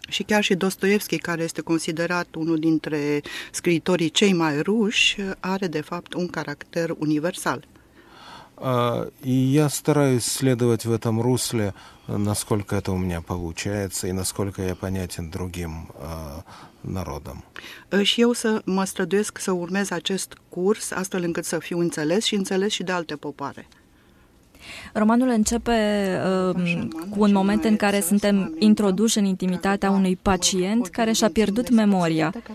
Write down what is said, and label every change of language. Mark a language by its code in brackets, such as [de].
[ro] Și chiar și Dostoevski, care este considerat unul dintre scriitorii cei mai ruși, are de fapt un caracter universal. [ru] И я стараюсь следовать в этом русле, насколько это у меня получается и насколько я понятен другим народам. [ro] Și eu să mă străduiesc să urmez acest curs, astfel încât să fiu înțeles și înțeles și de alte popoare. Romanul începe cu un moment în care suntem introduși în intimitatea unui pacient care și-a pierdut memoria.